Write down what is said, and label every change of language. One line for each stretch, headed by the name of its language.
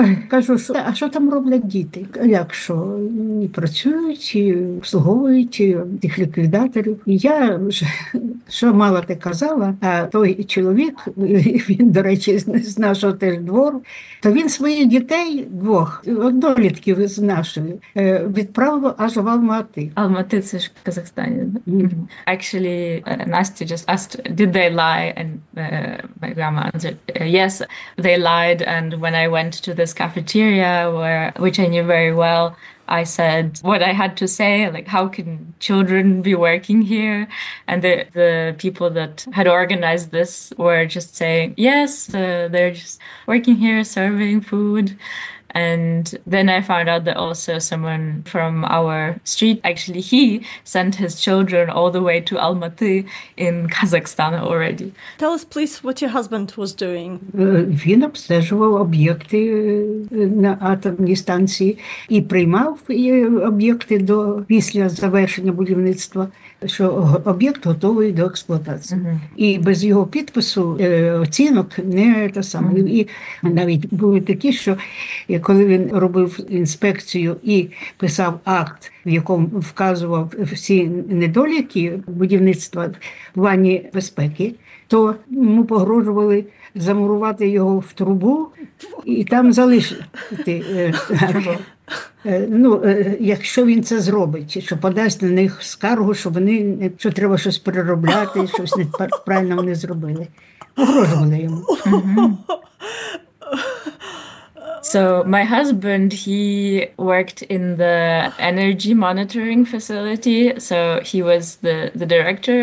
Ukrainian: Кажу: «А що там роблять діти? Як що? Не працюють, і обслуговують тих ліквідаторів?» Я вже що мала, ти казала, а той чоловік, він, до речі, з нашого теж двору, то він своїх дітей, двох, однолітків з нашої, відправив аж в Алмати. Алмати – це ж Казахстан. Mm-hmm.
English: Actually, Настя just asked, did they lie? And my grandma answered, yes, they lied. And when I went to this cafeteria, which I knew very well, I said what I had to say, like, how can children be working here? And the people that had organized this were just saying, yes, they're just working here, serving food. And then I found out that also someone from our street, actually he sent his children all the way to Almaty in Kazakhstan already. Tell us, please, what your husband was doing.
Ukrainian: Він обстежував об'єкти на атомній станції і приймав об'єкти до після завершення будівництва, що об'єкт готовий до експлуатації. І без його підпису оцінок не та саме. І навіть були такі, що коли він робив інспекцію і писав акт, в якому вказував всі недоліки будівництва в плані безпеки, то йому погрожували замурувати його в трубу і там залишити. Ну, якщо він це зробить, що подасть на них скаргу, що вони, що треба щось переробляти, щось неправильно вони зробили. Погрожували йому.
English: So my husband, he worked in the energy monitoring facility, so he was the director.